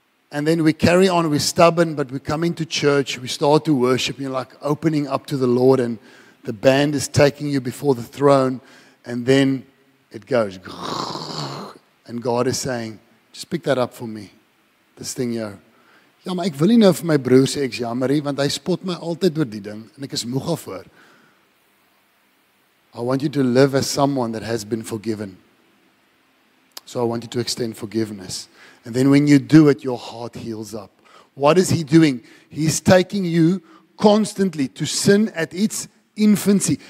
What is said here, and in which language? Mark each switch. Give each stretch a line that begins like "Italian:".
English: And then we carry on, we're stubborn, but we come into church, we start to worship, you're like opening up to the Lord, and the band is taking you before the throne, and then it goes. And God is saying, just pick that up for me, this thing here.
Afrikaans: Ja, maar ek wil nie nou vir my broer sê, ek jammerie, want hy spot my altyd oor die ding, en ek is moeg daarvoor.
English: I want you to live as someone that has been forgiven. So I want you to extend forgiveness. And then when you do it, your heart heals up. What is He doing? He's taking you constantly to sin at its infancy.